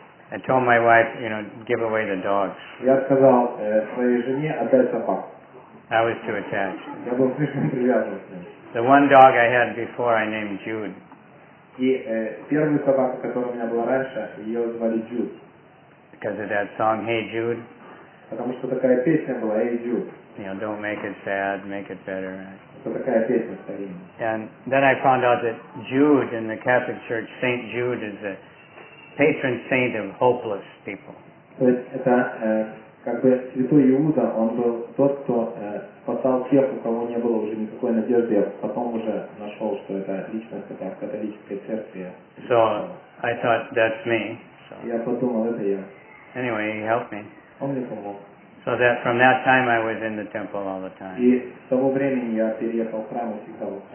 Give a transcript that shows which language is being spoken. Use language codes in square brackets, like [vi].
[en] I told my wife, you know, give away the dogs. [ru] Я сказал своей жене отдай собак. [en] I was too attached. [ru] Я был слишком привязан к ним. [en] The one dog I had before I named Jude. [ru] И первую собаку, которая у меня была раньше, ее звали Jude. [en] Because of that song, Hey Jude. [ru] Потому что такая песня была, Hey Jude. [en] You know, don't make it sad, make it better. [ru] Это такая песня старинная. [en] And then I found out that Jude in the Catholic Church, Saint Jude is a patron saint of hopeless people. [ru] Это как бы святой Иуда, он был тот, кто спасал тех, у кого не было уже никакой надежды, а потом уже нашел, что это личность такая в католической церкви. [en] So I thought that's me. So. [ru] Я подумал, это я. [en] Anyway, he helped me. [ru] Он мне помог. [en] So that from that time I was in the temple all the time. [ru] И с того времени я переехал в храм и сидел.